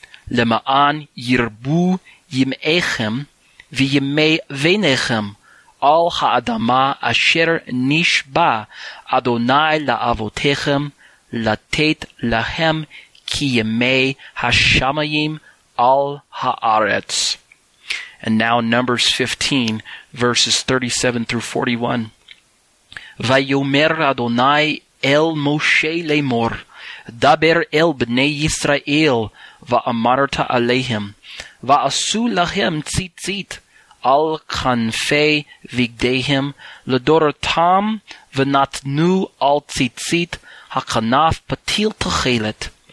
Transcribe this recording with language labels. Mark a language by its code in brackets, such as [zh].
[he] למען ירבו ימיכם וימי ביניכם על האדמה אשר נשבע אדוני לאבותיכם לתת להם כימי השמיים על הארץ. [en] And now Numbers 15, verses 37 through 41. [he] ויומר אדוני אל משה לאמור, דבר אל בני ישראל, ואמרת עליהם, ועשו להם ציצית על כנפי בגדיהם לדורתם, ונתנו על ציצית הכנף פתיל תכלת.